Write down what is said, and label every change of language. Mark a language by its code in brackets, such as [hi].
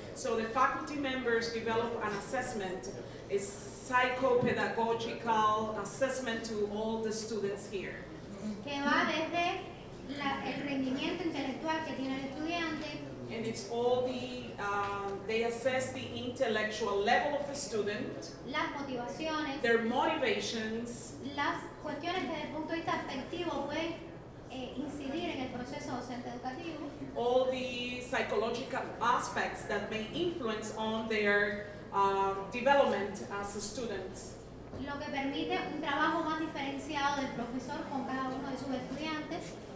[en] So the faculty members develop an assessment, a psychopedagogical assessment to all the students here. [es] Que va desde el rendimiento intelectual que tiene el estudiante. [en] And it's all the they assess the intellectual level of the student, [es] las motivaciones, [en] their motivations, [es] las cuestiones que desde el punto de vista afectivo pueden incidir en el proceso docente educativo, [en] all the psychological aspects that may influence on their development as students, [es] lo que permite un trabajo más diferenciado del profesor con cada uno de sus estudiantes,